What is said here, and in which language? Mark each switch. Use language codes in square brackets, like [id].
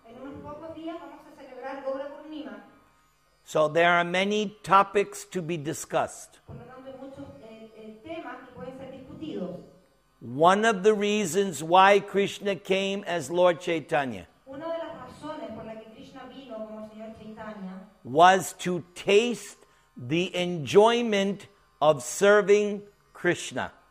[es] En unos pocos días vamos a celebrar Gaura Purnima. [en] So there are many topics to be discussed. [es] Por lo tanto, muchos, temas que pueden ser discutidos. [en] One of the reasons why Krishna came as Lord Chaitanya, [es] una de las razones por la que Krishna vino como Señor Chaitanya, [en] was to taste the enjoyment of serving Krishna.